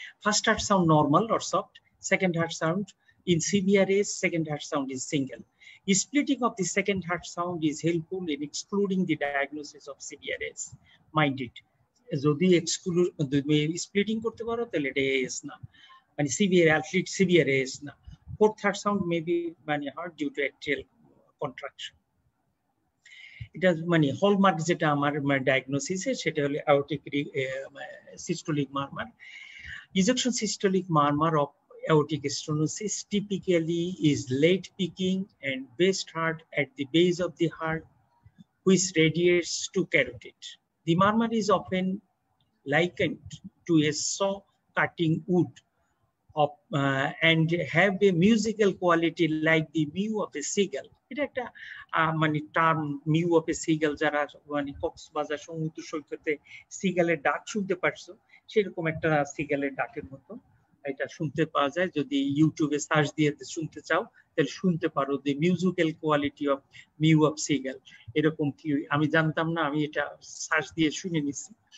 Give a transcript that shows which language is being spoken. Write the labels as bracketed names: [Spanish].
[English] first heart sound normal or soft, second heart sound in severe AS second heart sound is single, splitting of the second heart sound is helpful in excluding the diagnosis of severe AS, mind it, [Bangla] যদি splitting করতে পারো তাহলে এটা S না [English] মানে severe athlete severe AS না। Fourth heart sound may be মানে heart due to atrial contraction, [Bangla] এটা মানে হলমার্ক যেটা আমার ডায়াগনোসিস সেটা হলো aortic systolic মারমার। [English] Ejection systolic murmur of aortic stenosis typically is late peaking and best heart at the base of the heart which radiates to carotid. The murmur is often likened to a saw cutting wood of, and have a musical quality like the mew of a seagull. [Bangla] এটা একটা মানে term mu of A seagull, যারা মানে কক্সবাজার সমুদ্র সৈকতে সিগালের ডাক শুনতে পারছো সেরকম একটা সিগালের ডাকের মতো এটা শুনতে পাওয়া যায়। যদি ইউটিউবে সার্চ দিয়ে শুনতে চাও তাহলে শুনতে পারো [English] the musical quality of mew of seagull, [Bangla] এরকম কি আমি জানতাম না, আমি এটা সার্চ দিয়ে শুনে নিছি।